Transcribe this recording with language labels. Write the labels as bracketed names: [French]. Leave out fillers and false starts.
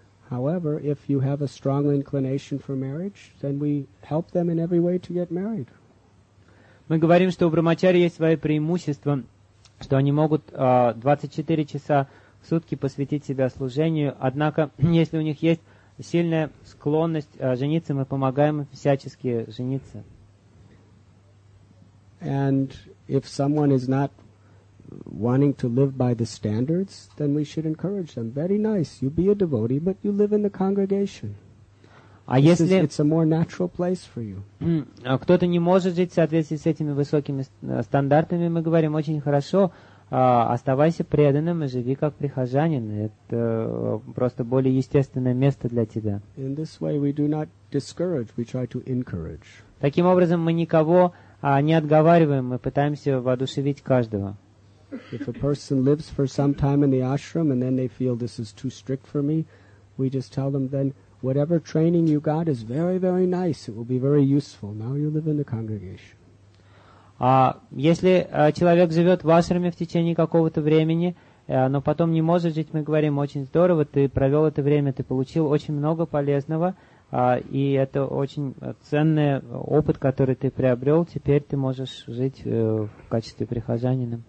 [English] However, if you have a strong inclination for marriage, then we help them in every way to get married. [Russian] Мы говорим, что у брахмачари есть свои преимущества, что они могут 24 часа в сутки посвятить себя служению. Однако, если у них есть сильная склонность жениться, мы помогаем всячески жениться. [English] And if someone is not wanting to live by the standards, then we should encourage them. Very nice, you be a devotee, but you live in the congregation. [Russian] А если [English] it's a more natural place for you. [Russian] Кто-то не может жить в соответствии с этими высокими стандартами, мы говорим, очень хорошо, оставайся преданным и живи как прихожанин. Это просто более естественное место для тебя. [English] In this way we do not discourage, we try to encourage. [Russian] Таким образом, мы никого не отговариваем, мы пытаемся воодушевить каждого. [English] If a person lives for some time in the ashram and then they feel this is too strict for me, we just tell them then whatever training you got is very, very nice. It will be very useful. Now you live in the congregation. [Russian] Если человек живет в ашраме в течение какого-то времени, но потом не может жить, мы говорим, очень здорово, ты провел это время, ты получил очень много полезного, и это очень ценный опыт, который ты приобрел, теперь ты можешь жить в качестве прихожанина.